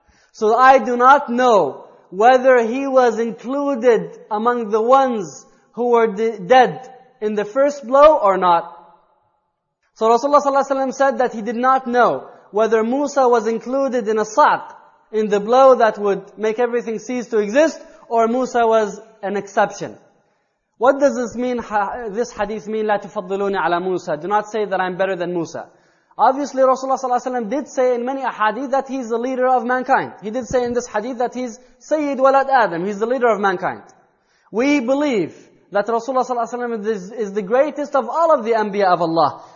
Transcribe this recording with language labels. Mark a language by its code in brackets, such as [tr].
[en] So I do not know whether he was included among the ones who were dead in the first blow or not. So Rasulullah sallallahu alaihi wasallam said that he did not know whether Musa was included in a saq, in the blow that would make everything cease to exist, or Musa was an exception. What does this mean? This hadith mean, [ar] لا تفضلوني على موسى. [en] Do not say that I'm better than Musa. Obviously, Rasulullah sallallahu alaihi wasallam did say in many hadith that he's the leader of mankind. He did say in this hadith that he's Sayyid Walad Adam. He's the leader of mankind. We believe that Rasulullah sallallahu alaihi wasallam is the greatest of all of the Anbiya of Allah.